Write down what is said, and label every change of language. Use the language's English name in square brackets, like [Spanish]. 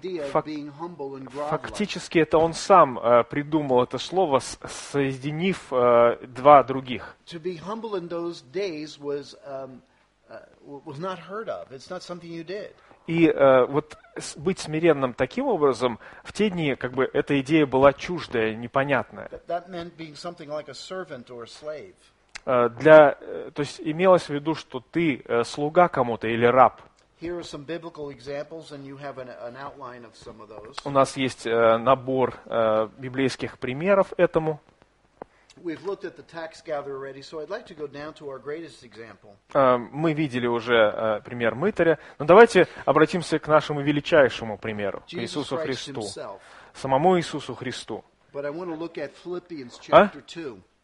[Russian] Фактически это он сам придумал это слово, соединив два других. [English] To be humble in those days was not heard of. It's not something you did. [Russian] И вот быть смиренным таким образом, в те дни, как бы, эта идея была чуждая, непонятная. То есть имелось в виду, что ты слуга кому-то или раб. У нас есть набор библейских примеров этому. [English] We've looked at the tax gatherer already, so I'd like to go down to our greatest example. [Russian] Мы видели уже пример мытаря, но давайте обратимся к нашему величайшему примеру, к Иисусу Христу, самому Иисусу Христу. [English] But I want to look at Philippians chapter 2.